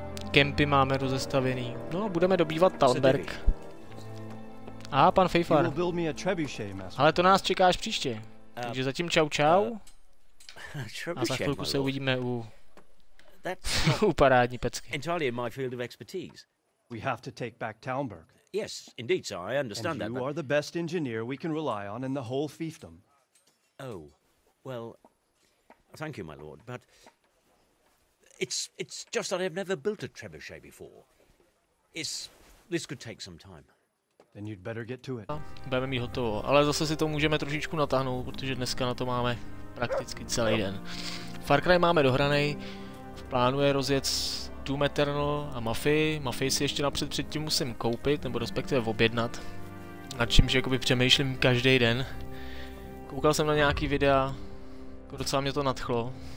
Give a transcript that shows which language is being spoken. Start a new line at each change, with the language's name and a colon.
Czech: Kempy máme rozestavěný. No, budeme dobývat Talberg. A pan Faefar. Ale to nás čeká až příště. Takže zatím čau. A za chvilku se uvidíme u
English: that's
Czech: parádní pecky.
English: Entirely in my field of expertise. We have to take back Talmberg. Yes, indeed, sir. I understand that. And you are the best engineer we can rely on in the whole fiefdom. Oh, well, thank you, my lord, but it's just that I've never built a trebuchet before. This could take some time. Then you'd better get to it.
Czech: Budeme mít hotovo, ale zase si to můžeme trošičku natáhnout, protože dneska na to máme prakticky celý den. Far Cry máme dohraný, v plánu je rozjet Doom Eternal a Mafii. Mafii si ještě napřed předtím musím koupit, nebo respektive objednat. Nad čímž jakoby přemýšlím každý den. Koukal jsem na nějaký videa, docela mě to nadchlo.